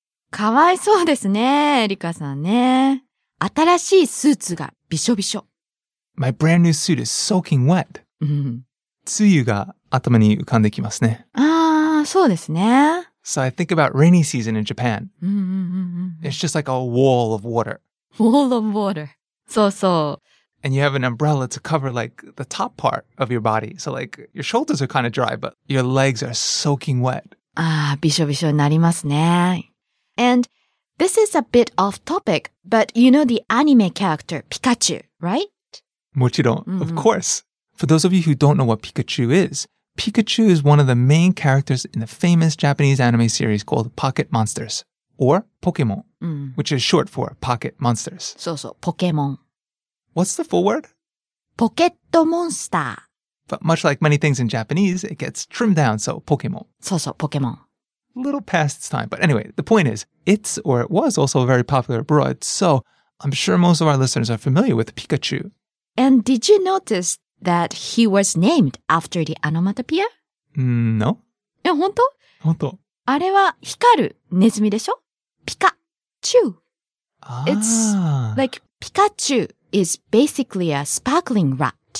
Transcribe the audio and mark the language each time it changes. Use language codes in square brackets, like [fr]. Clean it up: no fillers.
[ja] かわいそうですね、エリカさんね。新しいスーツがびしょびしょ。 [en] My brand new suit is soaking wet. [ja] うん。梅雨が頭に浮かんできますね。ああ、そうですね。 [en] So I think about rainy season in Japan. [ja] うん。 [en] It's just like a wall of water. Wall of water. [ja] そうそう。 [en] And you have an umbrella to cover like the top part of your body. So like your shoulders are kind of dry, but your legs are soaking wet. [ja] ああ、びしょびしょになりますね。 [en] And this is a bit off topic, but you know the anime character Pikachu, right? [ja] もちろん、 [en] mm-hmm. of course. For those of you who don't know what Pikachu is one of the main characters in the famous Japanese anime series called Pocket Monsters, or Pokemon,、 mm. which is short for Pocket Monsters. [ja] そうそう、Pokemon. [en] What's the full word? Pocket Monster. But much like many things in Japanese, it gets trimmed down, so Pokemon. [ja] そうそう、Pokemon. [en] A little past its time. But anyway, the point is, it's or it was also very popular abroad. So I'm sure most of our listeners are familiar with Pikachu. And did you notice that he was named after the onomatopoeia? No. [ja] え、本当？本当。あれは光るネズミでしょ？ピカチュウ。 [en] It's like Pikachu is basically a sparkling rat.